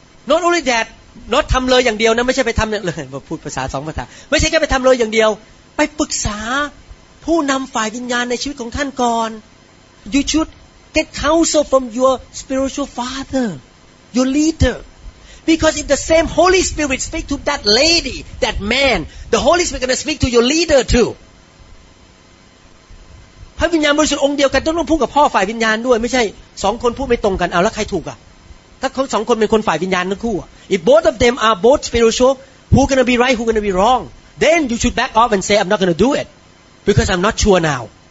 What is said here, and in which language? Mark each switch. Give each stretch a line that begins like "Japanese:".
English: Not only that, not
Thai: ทำเลยอย่างเดียวนะไม่ใช่ไปทำเลยพูดภาษาสองภาษาไม่ใช่แค่ไปทำเลยอย่างเดียวไปปรึกษาผู้นำฝ่ายวิญญาณในชีวิตของท่านก่อน
English: You should get counsel from your spiritual father, your leader. Because if the same Holy Spirit speak to that lady, that man, the Holy Spirit gonna speak to your leader too.
Thai: พระวิญญาณบริสุทธิ์องค์เดียวกันต้องพูดกับพ่อฝ่ายวิญญาณด้วยไม่ใช่สองคนพูดไม่ตรงกันเอาแล้วใครถูกอ่ะถ้าสองคนเป็นคนฝ่ายวิญญาณทั้งคู่
English: If both of them are both spiritual who gonna be right who gonna be wrong then you should back off and say I'm not gonna do it because I'm not sure now